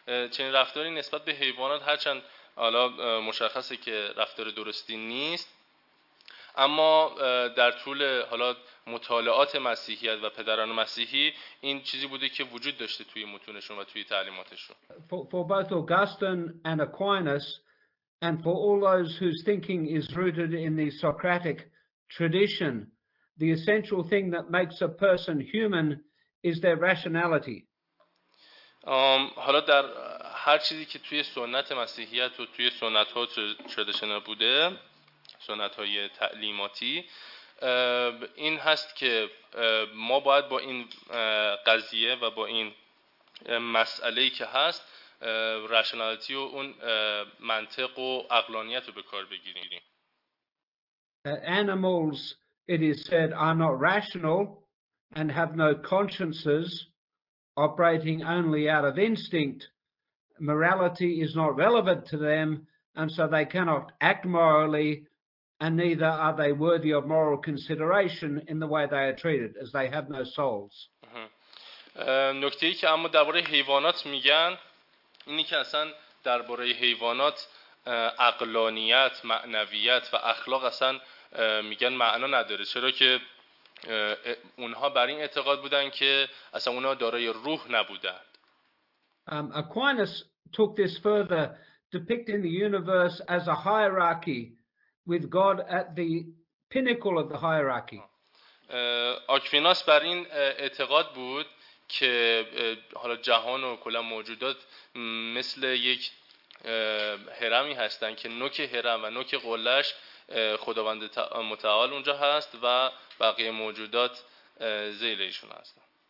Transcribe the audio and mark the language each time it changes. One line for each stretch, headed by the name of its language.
Persian: چنین رفتاری نسبت به حیوانات هرچند حالا مشخصه که رفتار درستی نیست، اما در طول حالا مطالعات مسیحیت و پدران مسیحی این چیزی بوده که وجود داشته توی متونشون و توی تعلیماتشون.
English: For both Augustine and Aquinas and for all those whose thinking is rooted in the Socratic tradition, the essential thing that makes a person human is their rationality.
Persian: حالا در هر چیزی که توی سنت مسیحیت و توی سنت‌ها تردیشنال بوده، سنت‌های تعلیماتی، این هست که ما باید با این قضیه و با این مسئله‌ای که هست رشنالیتی و اون منطق و عقلانیت رو به کار بگیریم.
English: Animals, it is said, are not rational and have no consciences, operating only out of instinct. Morality is not relevant to them, and so they cannot act morally, and neither are they worthy of moral consideration in the way they are treated, as they have no souls.
Persian: نکته ای که اما درباره حیوانات میگن اینی که اصلا درباره حیوانات عقلانیت، معنویت و اخلاق اصلا میگن معنا نداره، چرا که اونها بر این اعتقاد بودن که اصلا اونها دارای روح نبودند.
English: Aquinas took this further, depicting the universe as a hierarchy with God at the pinnacle of the hierarchy.
Persian: آکویناس بر این اعتقاد بود که حالا جهان و کلا موجودات مثل یک هرمی هستند که نوک هرم و نوک قلهش خداوند متعال اونجا هست و بقیه موجودات ذیل ایشون هستند.